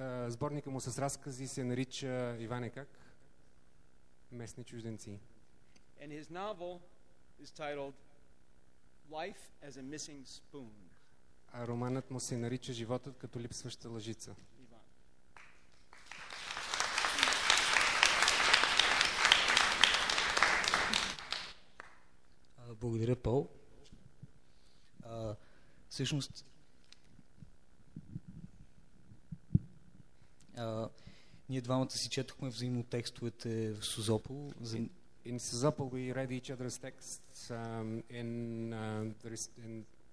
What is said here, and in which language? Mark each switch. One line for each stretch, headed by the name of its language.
Bulgarian: Сборника му с разкази се нарича Иване как? Местни чужденци.
English: And his novel is titled Life as a Missing Spoon.
Bulgarian: А романът му се нарича Животът като липсваща лъжица. Благодаря, Пол. Всъщност, ние двамата си четохме взаимно текстовете в Созопол.
English: In Созопол we read each other's texts in